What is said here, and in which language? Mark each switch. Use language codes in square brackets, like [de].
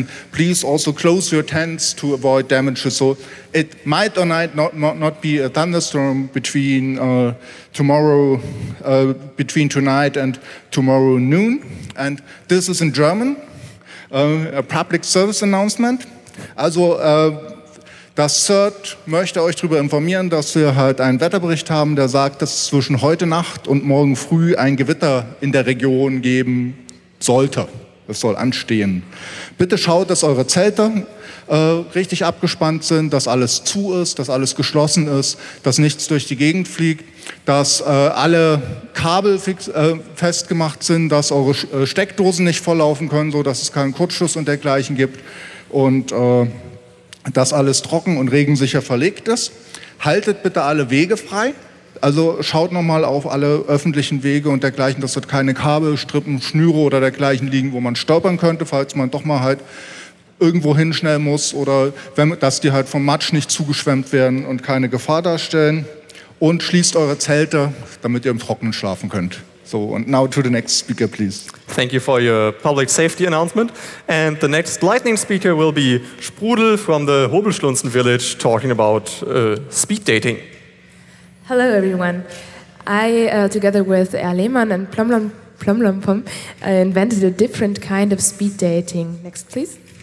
[en] And please also close your tents to avoid damages. So it might or might not be a thunderstorm between tonight and tomorrow noon. And this is in German, a public service announcement. [de] Also, das CERT möchte euch darüber informieren, dass wir halt einen Wetterbericht haben, der sagt, dass es zwischen heute Nacht und morgen früh ein Gewitter in der Region geben sollte. Es soll anstehen. Bitte schaut, dass eure Zelte richtig abgespannt sind, dass alles zu ist, dass alles geschlossen ist, dass nichts durch die Gegend fliegt, dass alle Kabel festgemacht sind, dass eure Steckdosen nicht volllaufen können, sodass es keinen Kurzschluss und dergleichen gibt. Und dass alles trocken und regensicher verlegt ist. Haltet bitte alle Wege frei. Also schaut nochmal auf alle öffentlichen Wege und dergleichen, dass dort keine Kabel, Strippen, Schnüre oder dergleichen liegen, wo man stolpern könnte, falls man doch mal halt irgendwo hinschnell muss oder dass die halt vom Matsch nicht zugeschwemmt werden und keine Gefahr darstellen. Und schließt eure Zelte, damit ihr im Trockenen schlafen könnt. [en] So, and now to the next speaker, please. Thank you for your public safety announcement. And the next lightning speaker will be Sprudel from the Hobelschlunzen village talking about speed dating. Hello, everyone. I, together with Lehmann and Plomlompom, invented a different kind of speed dating. Next, please.